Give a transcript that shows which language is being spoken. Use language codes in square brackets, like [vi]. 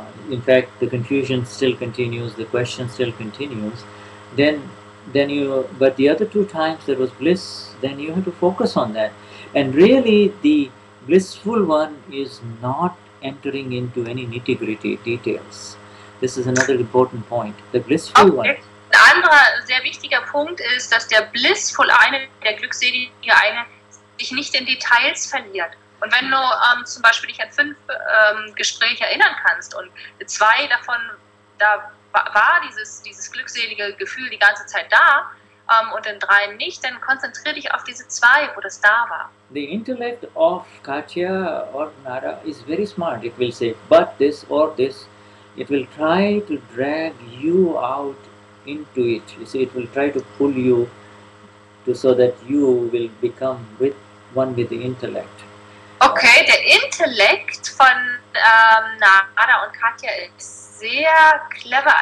[en] In fact, the confusion still continues, the question still continues. But the other 2 times there was bliss, then you have to focus on that. And really, the blissful one is not entering into any nitty-gritty details. This is another important point. The blissful one. [de] Ein anderer sehr wichtiger Punkt ist, dass der blissful eine, der glückselige eine, sich nicht in Details verliert. Und wenn du zum Beispiel dich an 5 Gespräche erinnern kannst und 2 davon, da war dieses glückselige Gefühl die ganze Zeit da, und in 3 nicht, dann konzentriere dich auf diese 2, wo das da war. [en] The intellect of Katja or Nara is very smart, it will say, but this or this, it will try to drag you out into it. You see, it will try to pull you to, so that you will become with one with the intellect. [de] Okay, der Intellekt von Nada und Katja ist sehr clever.